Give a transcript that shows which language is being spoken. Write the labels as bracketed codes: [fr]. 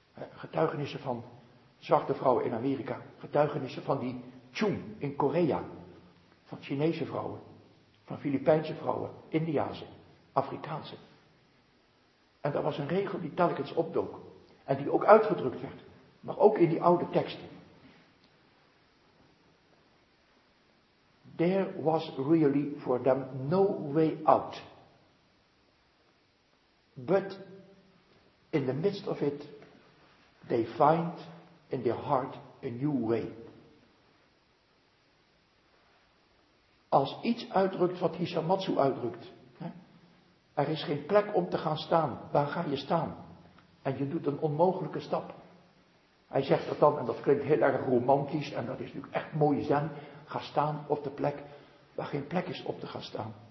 [nl] Getuigenissen van zwarte vrouwen in Amerika, getuigenissen van die Chung in Korea, van Chinese vrouwen, van Filipijnse vrouwen, Indiase, Afrikaanse. En dat was een regel die telkens opdook. En die ook uitgedrukt werd, maar ook in die oude teksten. [en] There was really for them no way out. But in the midst of it, they find in their heart a new way. [nl] Als iets uitdrukt wat Hisamatsu uitdrukt. Hè? Er is geen plek om te gaan staan. Waar ga je staan? En je doet een onmogelijke stap. Hij zegt dat dan, en dat klinkt heel erg romantisch, en dat is natuurlijk echt mooie zen. Ga staan op de plek waar geen plek is om te gaan staan.